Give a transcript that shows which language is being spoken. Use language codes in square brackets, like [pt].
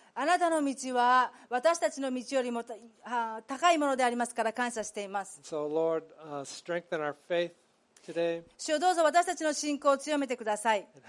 [ja] あなたの道は私たちの道よりも高いものでありますから感謝しています。 [en] So, Lord, strengthen our faith today. [ja] 主よ、どうぞ私たちの信仰を強めてください。